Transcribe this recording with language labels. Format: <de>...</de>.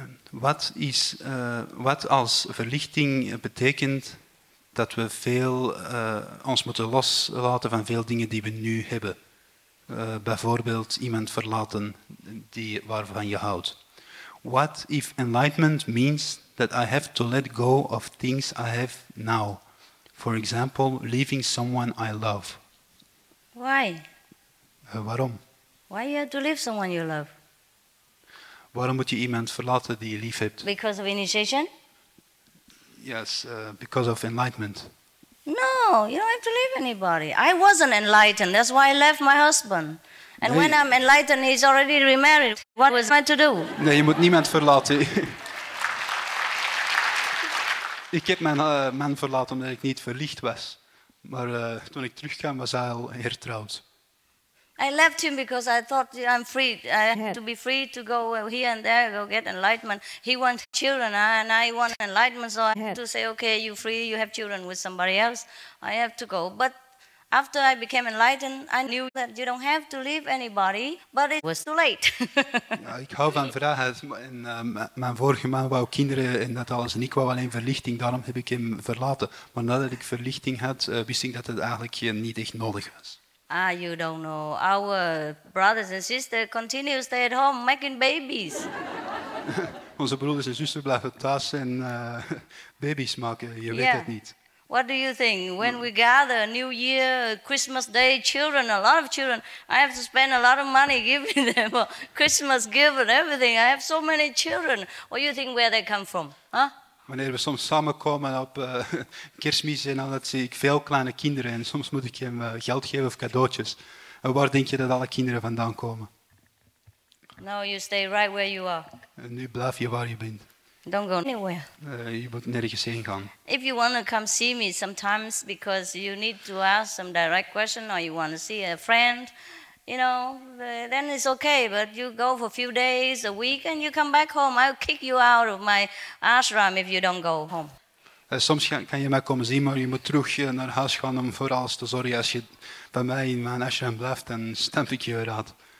<nl>Wat als verlichting betekent dat we veel ons moeten loslaten van veel dingen die we nu hebben? Bijvoorbeeld iemand verlaten die waarvan je houdt.</nl> <en>What if enlightenment means that I have to let go of things I have now? For example, leaving someone I love. Why?</en> <nl>Waarom?</nl> <en>Why you have to leave someone you love?</en> <nl>Waarom moet je iemand verlaten die je lief hebt?</nl> <en>Because of initiation? Yes, because of enlightenment. No, you don't have to leave anybody. I wasn't enlightened, that's why I left my husband. And nee. When I'm enlightened, he's already remarried. What was I to do?</en> <nl>Nee, je moet niemand verlaten. Ik heb mijn man verlaten omdat ik niet verlicht was. Maar toen ik terugkwam, was hij al hertrouwd.</nl> <en>I left him because I thought I'm free. I have to be free to go here and there, go get enlightenment. He wants children and I want enlightenment. So I have to say, okay, you're free, you have children with somebody else. I have to go. But after I became enlightened, I knew that you don't have to leave anybody. But it was too late.</en> <nl>Ja, ik hou van vrijheid. En, mijn vorige man wou kinderen en dat alles. En ik wou alleen verlichting, daarom heb ik hem verlaten. Maar nadat ik verlichting had, wist ik dat het eigenlijk niet echt nodig was.</nl> <en>Ah, you don't know. Our brothers and sisters continue to stay at home making babies.</en> <nl>Onze broers en zussen blijven thuis en baby's maken. Je weet het niet.</nl> <en>What do you think? When we gather, New Year, Christmas Day, children, a lot of children, I have to spend a lot of money giving them a Christmas gift and everything. I have so many children. What do you think where they come from? Huh?</en> <nl>Wanneer we soms samenkomen op kerstmis en dan zie ik veel kleine kinderen en soms moet ik hem geld geven of cadeautjes. En waar denk je dat alle kinderen vandaan komen?</nl> <en>No, you stay right where you are.</en> <nl>En nu blijf je waar je bent.</nl> <en>Don't go anywhere.</en> <nl>Je moet nergens heen gaan.</nl> <en>If you want to come see me sometimes because you need to ask some direct question or you want to see a friend, you know, then it's okay. But you go for a few days, a week, and you come back home. I'll kick you out of my ashram if you don't go home.</en> <nl>Soms kan je mij komen zien, maar je moet terug naar huis gaan om voor alles te zorgen. Als je bij mij in mijn ashram blijft, dan stamp ik je eruit.</nl>